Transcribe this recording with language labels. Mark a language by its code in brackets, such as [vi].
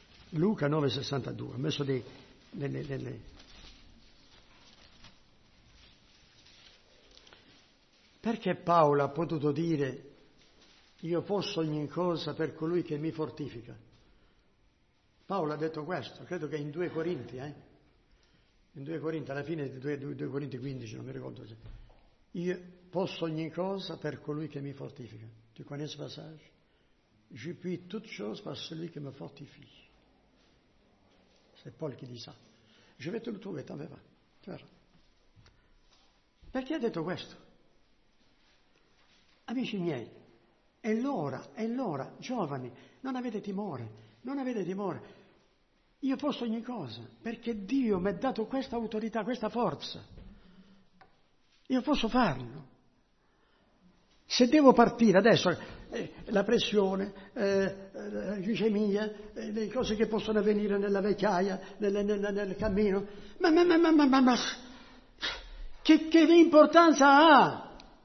[it] Luca 9,62, ho messo delle Perché Paolo ha potuto dire io posso ogni cosa per colui che mi fortifica? Paolo ha detto questo, credo che in 2 Corinti, in 2 Corinti, alla fine di 2 Corinti 15, non mi ricordo. Cioè, io posso ogni cosa per colui che mi fortifica. Tu conosci questo passaggio? [fr] Je puis toute chose par celui qui me fortifie. C'est Paul qui dit ça. Je vais te le trouver, t'en vas. [it] Perché ha detto questo? Amici miei, è l'ora, giovani, non avete timore, non avete timore. Io posso ogni cosa, perché Dio mi ha dato questa autorità, questa forza. Io posso farlo. Se devo partire adesso, la pressione, la glicemia, le cose che possono avvenire nella vecchiaia, nel cammino, ma che importanza ha?